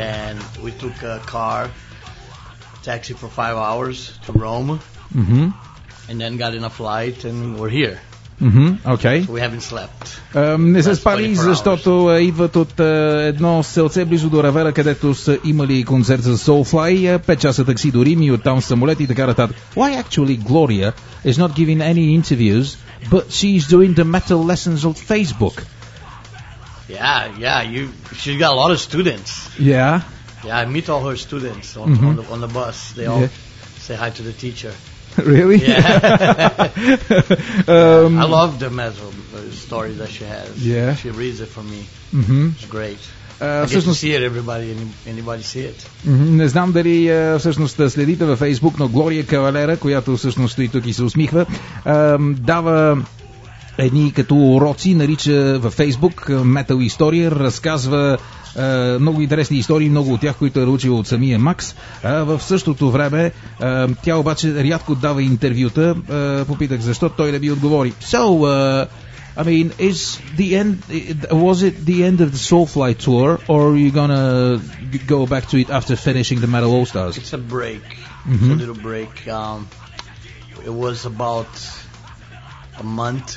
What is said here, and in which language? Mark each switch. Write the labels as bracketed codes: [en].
[en] And we took a car, taxi for 5 hours to Rome. Mm-hmm. And then got in a flight and we're here. Mm-hmm, okay. So we haven't slept. [bg] Не са спали, защото идват от едно селце близо до Равера, където са имали концерт за Soulfly, 5 часа такси до Рим и оттам самолет и така нататък. [en] Why actually Gloria is not giving any interviews, but she's doing the metal lessons on Facebook? Yeah, she's got a lot of students. Yeah. Yeah, I meet all her students on, mm-hmm. on the bus. They all say hi to the teacher. Really? Yeah. I love the metal story that she has. Yeah. She reads it for me. Mm-hmm. It's great. I get to see it, everybody. Anybody see it? Mm-hmm. [bg] Не знам дали всъщност следите във Facebook, но Глория Кавалера, която всъщност стои тук и се усмихва, дава едни като уроци, нарича във Facebook Metal История, разказва много интересни истории, много от тях, които е научил от самия Макс. В същото време тя обаче рядко дава интервюта. Попитах защо, той не би отговори. [en] So, I mean, is the end, was it the end of the Soulfly tour, or are you gonna go back to it after finishing the Metal All-Stars? It's a break. Mm-hmm. It's a little break. It was about a month.